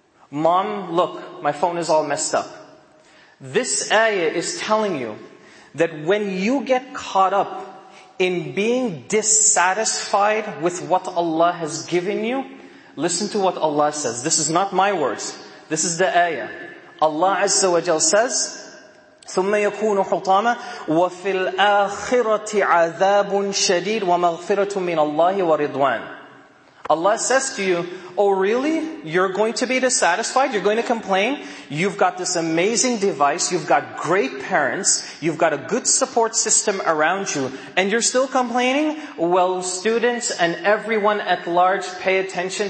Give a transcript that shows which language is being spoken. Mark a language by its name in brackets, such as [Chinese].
[English] Mom, look, my phone is all messed up. This ayah is telling you that when you get caught up in being dissatisfied with what Allah has given you, listen to what Allah says. This is not my words. This is the ayah. Allah Azza wa Jal says, [Arabic] ثم يكون حطاما وفي الآخرة عذاب شديد ومغفرة من الله ورضوان. [English] Allah says to you, oh really? You're going to be dissatisfied? You're going to complain? You've got this amazing device. You've got great parents. You've got a good support system around you. And you're still complaining? Well, students and everyone at large, pay attention.